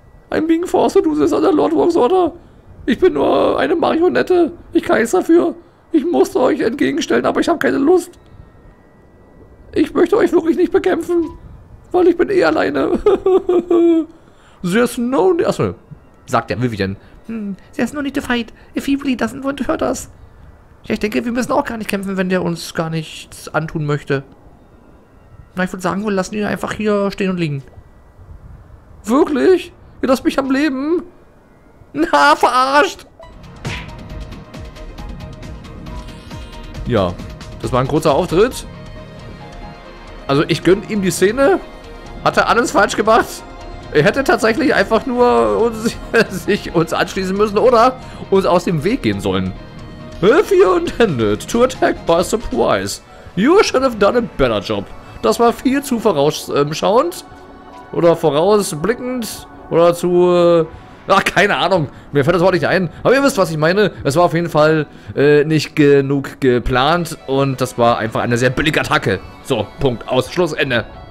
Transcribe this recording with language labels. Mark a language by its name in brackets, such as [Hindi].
[English] I'm being forced to do this under Lord Wong's order. [German] Ich bin nur eine Marionette. Ich kann nichts dafür. Ich musste euch entgegenstellen, aber ich habe keine Lust. Ich möchte euch wirklich nicht bekämpfen. Weil ich bin eh alleine. [English] There's no need. [German] Achso, sagt der Vivian. [English] There's no need to fight. If he really doesn't want to hurt us. [German] Ja, ich denke, wir müssen auch gar nicht kämpfen, wenn der uns gar nichts antun möchte. Na, ich würde sagen, wir lassen ihn einfach hier stehen und liegen. Wirklich? Ihr lasst mich am Leben? Na, verarscht! Ja, das war ein kurzer Auftritt. Also, ich gönne ihm die Szene. Hat er alles falsch gemacht? Er hätte tatsächlich einfach nur sich uns anschließen müssen oder uns aus dem Weg gehen sollen. [English] If you intended to attack by surprise, you should have done a better job. [German] Das war viel zu vorausschauend oder vorausblickend oder zu... keine Ahnung, mir fällt das Wort nicht ein. Aber ihr wisst, was ich meine. Es war auf jeden Fall nicht genug geplant und das war einfach eine sehr billige Attacke. So, Punkt, aus, Schluss, Ende.